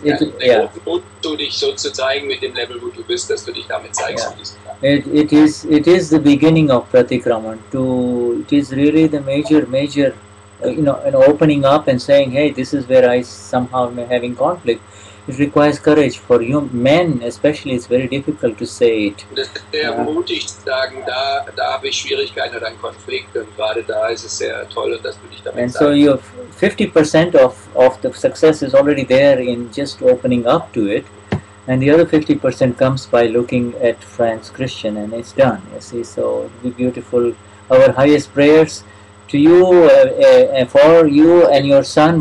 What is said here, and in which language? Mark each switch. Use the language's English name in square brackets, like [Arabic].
[German] du dich so zu zeigen mit dem Level, wo du bist, dass du dich damit zeigst. [English] Yeah. It is the beginning of Pratikraman. It is really the major an opening up and saying, hey, this is where I somehow am having conflict. It requires courage for you, men especially. It's very difficult to say it. [German] Mutig zu sagen, da habe ich Schwierigkeiten oder einen Konflikt, und gerade da ist es sehr toll, dass du dich damit sagst. [English] And so you have 50% of the success is already there in just opening up to it, and the other 50% comes by looking at Franz Christian, and it's done. You see, so be beautiful. Our highest prayers to you, for you and your son.